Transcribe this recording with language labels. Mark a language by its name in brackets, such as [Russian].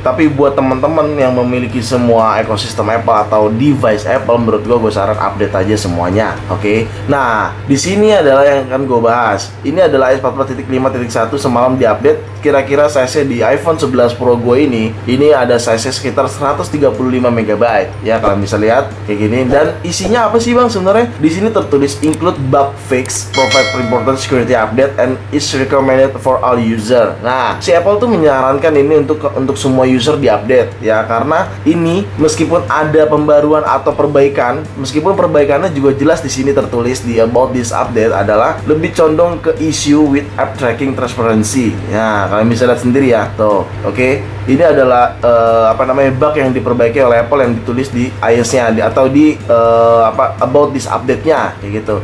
[Indonesian] tapi buat teman-teman yang memiliki semua ekosistem Apple atau device Apple, menurut gue saran update aja semuanya. Oke, nah di sini adalah yang akan gue bahas, ini adalah iOS 14.5.1 semalam di update. Kira-kira size di iPhone 11 Pro gue ini ada size sekitar 135 MB. Ya, kalian bisa lihat kayak gini. Dan isinya apa sih bang sebenarnya? Di sini tertulis [English] include bug fix, provide important security update, and is recommended for all user. [Indonesian] Nah, si Apple tuh menyarankan ini untuk semua user di update ya, karena ini meskipun ada pembaruan atau perbaikan, meskipun perbaikannya juga jelas di sini tertulis di about this update adalah lebih condong ke [English] issue with app tracking transparency. [Indonesian] Ya, kalian bisa lihat sendiri ya. Tuh, oke. Ini adalah bug yang diperbaiki oleh Apple yang ditulis di iOS-nya atau di about this update-nya kayak gitu.